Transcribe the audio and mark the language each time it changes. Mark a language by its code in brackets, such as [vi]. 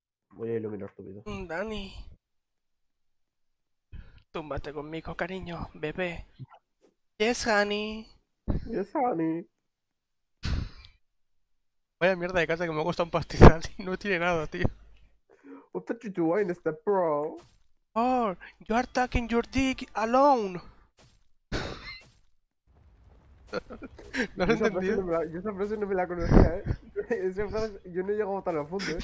[es] Voy a iluminar tu vida. Dani. Túmbate conmigo, cariño, bebé. [en] Yes, honey. Yes, honey. [es] Vaya mierda de casa que me ha costado un pastizal y no tiene nada, tío. [en] What are you doing, Step Bro? Oh, you are taking your dick alone. [es] ¿No has entendido? Yo esa frase no me la conocía, ¿eh? Esa frase, yo no he llegado tan a fondo, ¿eh?